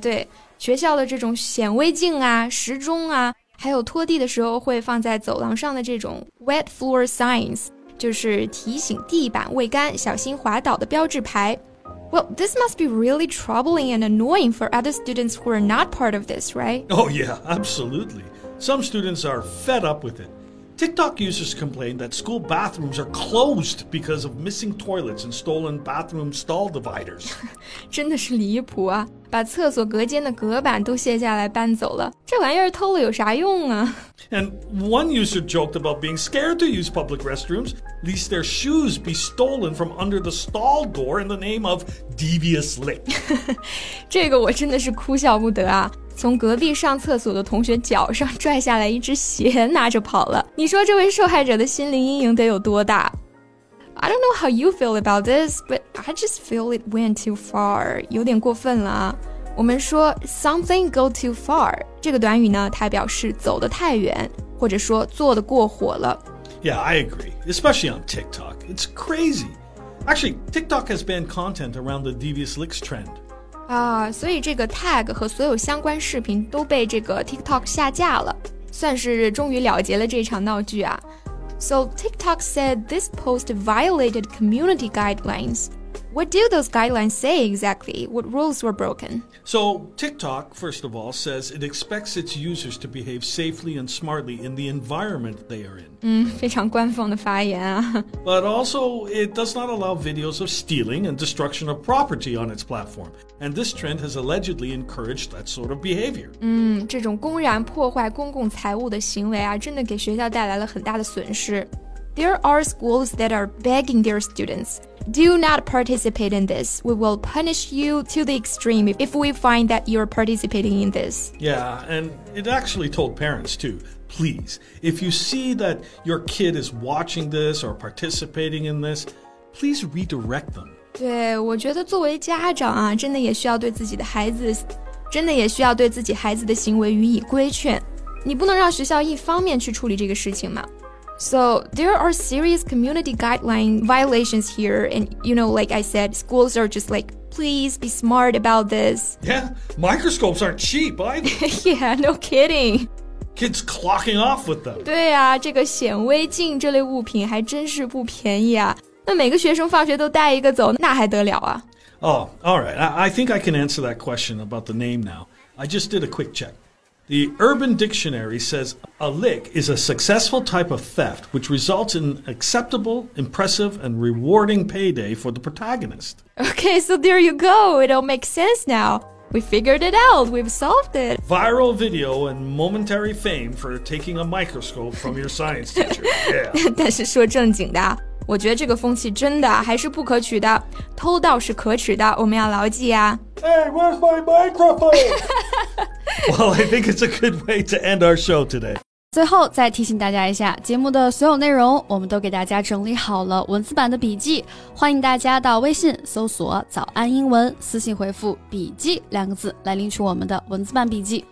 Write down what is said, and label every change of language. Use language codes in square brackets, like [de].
[zh] 对，学校的这种显微镜啊，时钟啊，还有拖地的时候会放在走廊上的这种 [en] wet floor signs, [zh] 就是提醒地板未干，小心滑倒的标志牌。 [en] Well, this must be really troubling and annoying for other students who are not part of this, right? Oh yeah, absolutely. Some students are fed up with it. TikTok users complain that school bathrooms are closed because of missing toilets and stolen bathroom stall dividers. [zh] 真的是离谱啊，把厕所隔间的隔板都卸下来搬走了，这玩意儿偷了有啥用啊？ [en] And one user joked about being scared to use public restrooms, lest their shoes be stolen from under the stall door in the name of devious lick. [zh] 这个我真的是哭笑不得啊，从隔壁上厕所的同学脚上拽下来一只鞋拿着跑了，你说这位受害者的心灵阴影得有多大？ [en] I don't know how you feel about this, but I just feel it went too far. [zh] 有点过分了啊。我们说 [en] something go too far, [zh] 这个短语呢它表示走得太远，或者说做得过火了。 [en] Yeah, I agree, especially on TikTok. It's crazy. Actually, TikTok has banned content around the devious licks trend. [zh] 所以这个 tag 和所有相关视频都被这个 TikTok 下架了，算是终于了结了这场闹剧啊。 [en] So TikTok said this post violated community guidelines. What do those guidelines say exactly? What rules were broken? So TikTok, first of all, says it expects its users to behave safely and smartly in the environment they are in. [zh] 非常官方的发言啊。 [en] But also, it does not allow videos of stealing and destruction of property on its platform. And this trend has allegedly encouraged that sort of behavior. [zh] 这种公然破坏公共财物的行为啊，真的给学校带来了很大的损失。 [en] There are schools that are begging their students, do not participate in this. We will punish you to the extreme if we find that you're participating in this. Yeah, and it actually told parents too, please, if you see that your kid is watching this or participating in this, please redirect them. [zh] 对，我觉得作为家长啊，真的也需要对自己孩子的行为予以规劝。你不能让学校一方面去处理这个事情嘛。 [en] So there are serious community guideline violations here, and you know, like I said, schools are just like, please be smart about this. Yeah, microscopes aren't cheap either. Yeah, no kidding. Kids clocking off with them. [zh] 对啊，这个显微镜这类物品还真是不便宜啊。那每个学生放学都带一个走，那还得了啊？ [en] Oh, all right. I think I can answer that question about the name now. I just did a quick check. The Urban Dictionary says a lick is a successful type of theft which results in acceptable, impressive, and rewarding payday for the protagonist. Okay, so there you go. It all makes sense now. We figured it out. We've solved it. Viral video and momentary fame for taking a microscope from your science teacher. Yeah. [zh] 但是说正经的，我觉得这个风气真的还是不可取的。偷盗是可耻的，我们要牢记啊。 [en] Hey, where's my microphone? Well, I think it's a good way to end our show today. [zh] 最后再提醒大家一下，节目的所有内容我们都给大家整理好了文字版的笔记，欢迎大家到微信搜索早安英文，私信回复笔记两个字来领取我们的文字版笔记。